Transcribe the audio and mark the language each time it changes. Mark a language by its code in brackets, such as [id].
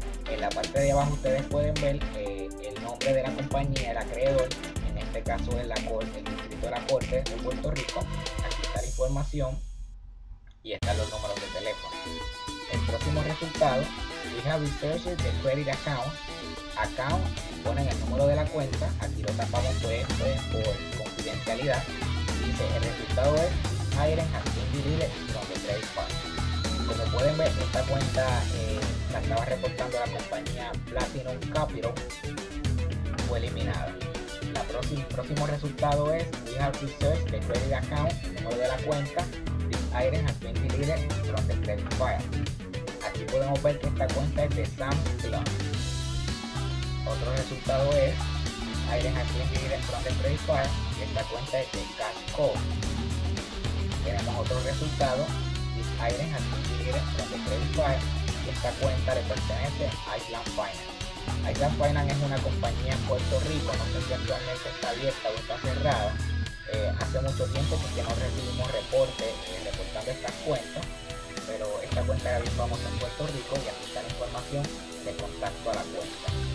[es] En la parte de abajo ustedes pueden ver el nombre de la compañía, el acreedor, en este caso es la corte, el distrito de la corte de Puerto Rico. Aquí está la información y están los números de teléfono. El próximo resultado: [en] We have researched the credit account. [es] Account, ponen el número de la cuenta, aquí lo tapamos pues por confidencialidad. Dice: el resultado es [en] Hiren has been deleted from the credit card. [es] Como pueden ver, esta cuenta la estaba reportando la compañía Platinum Capital, fue eliminada. El próximo resultado es: [en] We have researched the credit account, [es] el número de la cuenta. [en] This item has been deleted from the credit file. [es] Aquí podemos ver que esta cuenta es de Sam's Club. Otro resultado es: [en] Item has been deleted from the credit file. [es] Y esta cuenta es de Casco. Tenemos otro resultado: [en] This item has been deleted from the credit file. [es] Y esta cuenta le pertenece a Island Finance. Island Finance es una compañía en Puerto Rico. No sé si actualmente está abierta o está cerrada. Hace mucho tiempo que no recibimos reportando estas cuentas, pero esta cuenta la vimos en Puerto Rico y aquí está la información de contacto a la cuenta.